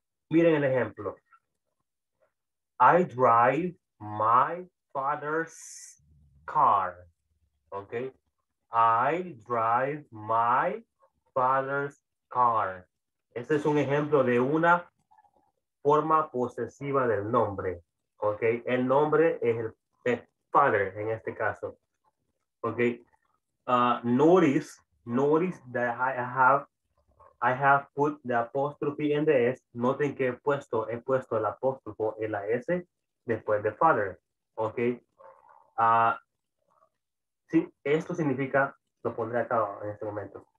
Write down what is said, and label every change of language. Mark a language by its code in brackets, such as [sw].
[es] Miren el ejemplo. [en] I drive my father's car. Okay. I drive my father's car. [es] Este es un ejemplo de una forma posesiva del nombre. Okay. El nombre es el padre en este caso. [en] Okay. Notice that I have put the apostrophe in the S. [es] Noten que he puesto el apóstrofo en la S después de father. Ok. Sí, esto significa, lo pondré acá en este momento.